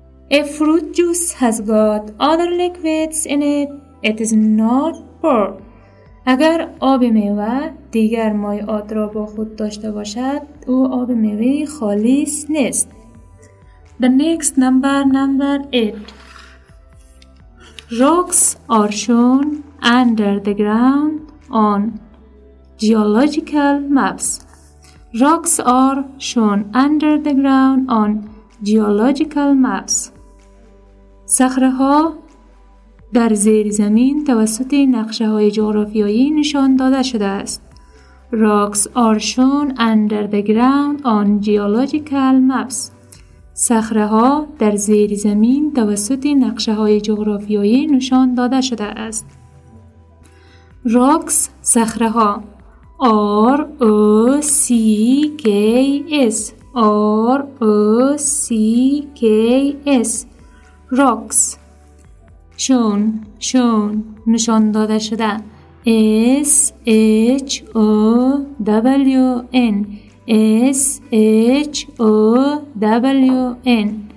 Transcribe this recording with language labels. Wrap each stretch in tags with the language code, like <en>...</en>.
<en>A fruit juice has got other liquids in it. It is not poor.</en> <fa>اگر آب میوه دیگر مایعات را با خود داشته باشد، او آب میوه خالص نیست.</fa> <en>The next number, number 8. Rocks are shown under the ground on geological maps. Rocks are shown under the ground on geological maps.</en> <fa>صخره ها در زیر زمین توسط نقشه های جغرافیایی نشان داده شده است.</fa> <en>Rocks are shown under the ground on geological maps.</en> <fa>صخره ها در زیر زمین توسط نقشه های جغرافیایی نشان داده شده است.</fa> <en>Rocks</en> <fa>صخره ها</fa> <en>R O C K S R O C K S Rocks shown shown</en> <fa>نشان داده شده</fa> <en>S H O W N S H O W N</en>